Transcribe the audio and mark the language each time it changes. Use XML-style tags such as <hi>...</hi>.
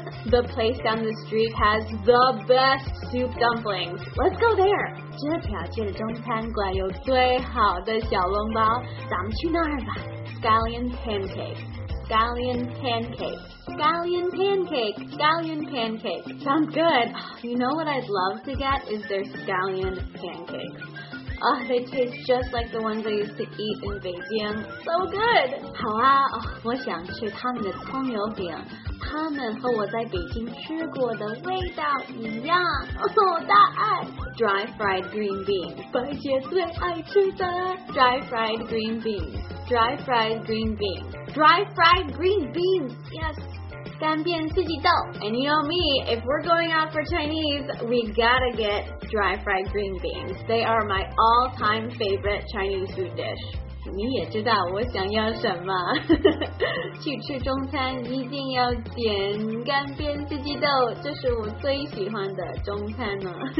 <en>The place down the street has the best soup dumplings. Let's go there.</en> <zh>这条街的中餐馆有最好的小笼包，咱们去那儿吧。</zh> <en>Scallion pancakes. Scallion pancakes. Scallion pancake. Scallion pancake. Sounds good. You know what I'd love to get is their scallion pancakes. Oh, they taste just like the ones I used to eat in Beijing. So good.</en> <zh>好啊，我想吃他们的葱油饼。他们和我在北京吃过的味道一样，我大爱</zh> <en>dry fried green beans，</en> <zh>白姐最爱吃的</zh> <en>dry fried green beans， dry fried green beans， dry fried green beans， yes，</en> <zh>干煸四季豆。</zh> <en>And you know me， if we're going out for Chinese， we gotta get dry fried green beans， they are my all time favorite Chinese food dish。</en> <zh>你也知道我想要什么，去吃中餐一定要点干煸四季豆，这是我最喜欢的中餐呢。</zh>